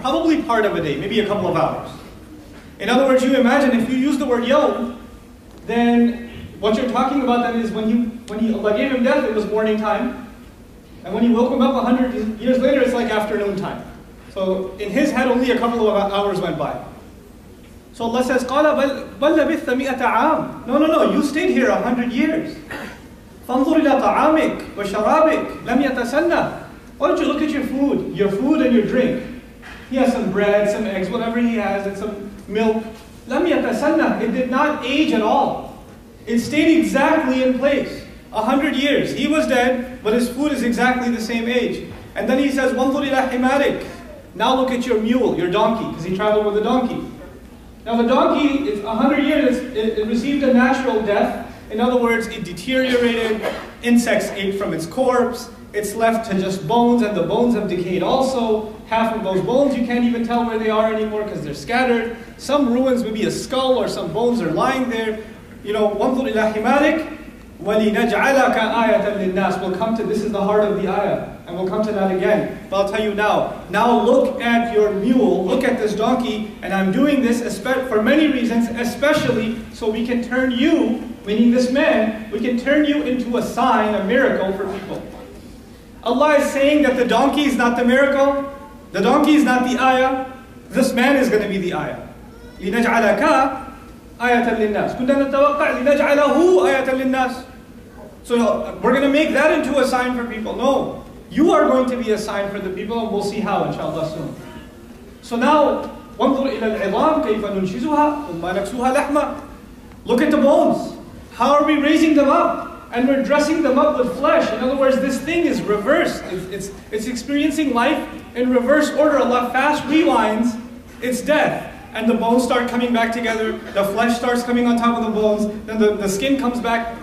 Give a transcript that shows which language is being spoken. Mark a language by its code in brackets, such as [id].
[en] Probably part of a day, maybe a couple of hours. In other words, you imagine if you use the word yawm, then what you're talking about then is when Allah gave him death, it was morning time. And when he woke him up 100 years later, it's like afternoon time. So in his head, only a couple of hours went by. [ar] So Allah says, قَالَ بَلْ لَبِثْتَ مِئَةَ عَامٍ. [en] No, you stayed here 100 years. [ar] فَانْظُرْ إِلَىٰ طَعَامِكَ وَشَرَابِكَ لَمْ يَتَسَنَّ. [en] Why don't you look at your food and your drink. He has some bread, some eggs, whatever he has, and some milk. [ar] لَمْ يَتَسَنَّ. [en] It did not age at all. It stayed exactly in place. 100 years. He was dead, but his food is exactly the same age. And then he says, [ar] وَانْظُرْ إِلَىٰ حِمَارِكَ. [en] Now look at your mule, your donkey, because he traveled with a donkey. Now the donkey, it's 100 years, it received a natural death. In other words, it deteriorated, insects ate from its corpse, it's left to just bones, and the bones have decayed also. Half of those bones, you can't even tell where they are anymore because they're scattered. Some ruins, maybe a skull or some bones are lying there. You know, [ar] وَانْظُرْ إِلَىٰ حِمَارِكَ وَلِنَجْعَلَكَ آيَةً لِلنَّاسِ. [en] We'll come to, this is the heart of the ayah, and we'll come to that again. But I'll tell you now. Now look at your mule, look at this donkey, and I'm doing this for many reasons, especially so we can turn you, meaning this man, we can turn you into a sign, a miracle for people. Allah is saying that the donkey is not the miracle, the donkey is not the ayah, this man is going to be the ayah. [ar] لنجعلك آية للناس. كنا نتوقع لنجعله آية للناس. [en] So we're going to make that into a sign for people. No, you are going to be a sign for the people, and we'll see how, inshallah, soon. So now, [ar] وانظر إلى العظام كيف ننشزها ثم نكسوها لحمة. [en] Look at the bones. How are we raising them up? And we're dressing them up with flesh. In other words, this thing is reversed. It's experiencing life in reverse order. Allah fast rewinds its death. And the bones start coming back together. The flesh starts coming on top of the bones. Then the skin comes back.